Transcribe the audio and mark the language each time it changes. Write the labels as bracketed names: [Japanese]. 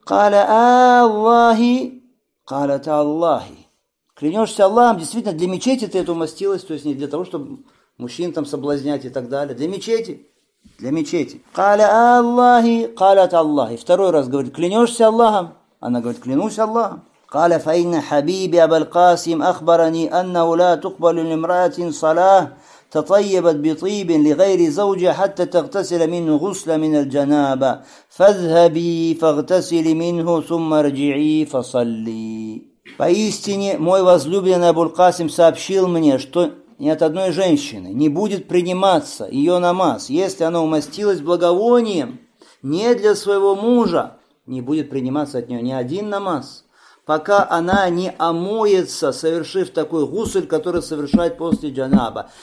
[Arabic] قال الله, قالت الله, [Russian] клянешься Аллахом, действительно для мечети ты это умастилась, то есть не для того, чтобы мужчин там соблазнять и так далее, для мечети. Для мечети. [Arabic] قال الله, قالت الله, [Russian] второй раз говорит: клянешься Аллахом? Она говорит: клянусь Аллахом. [Arabic] قال فإن حبيبي أبو القاسم أخبرني أنه لا تقبل لامرأة صلاة تطيبت بطيب لغير زوجها حتى تغتسل منه غسل من الجنابة فاذهبي فاغتسلي منه ثم ارجعي فصلي. [Russian] Поистине мой возлюбленный Абу аль-Касим сообщил мне, что ни от одной женщины не будет приниматься ее намаз, если она умастилась благовонием не для своего мужа, не будет приниматься от нее ни один намаз, пока она не омоется, совершив такой гусль, который совершает после джанаба.